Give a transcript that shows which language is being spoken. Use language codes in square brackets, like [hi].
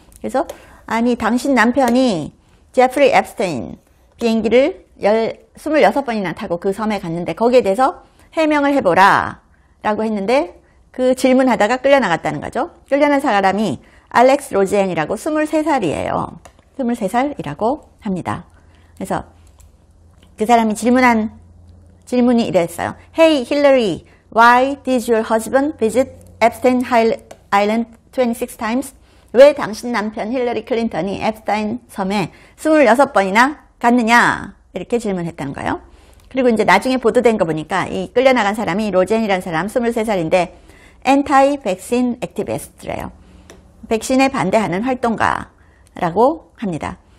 [ko] 그래서 아니, 당신 남편이 제프리 엡스타인 비행기를 26번이나 타고 그 섬에 갔는데 거기에 대해서 해명을 해보라 라고 했는데 그 질문하다가 끌려나갔다는 거죠. 끌려난 사람이 알렉스 로지앤이라고 23살이에요. 23살이라고 합니다. 그래서 그 사람이 질문이 이랬어요. [en] Hey, Hillary, why did your husband visit Epstein Island 26 times? [ko] 왜 당신 남편 힐러리 클린턴이 엡스타인 섬에 26번이나 갔느냐? 이렇게 질문했다는 거예요. 그리고 이제 나중에 보도된 거 보니까 이 끌려나간 사람이 로젠이라는 사람 23살인데 엔타이 백신 액티비스트래요. 백신에 반대하는 활동가라고 합니다.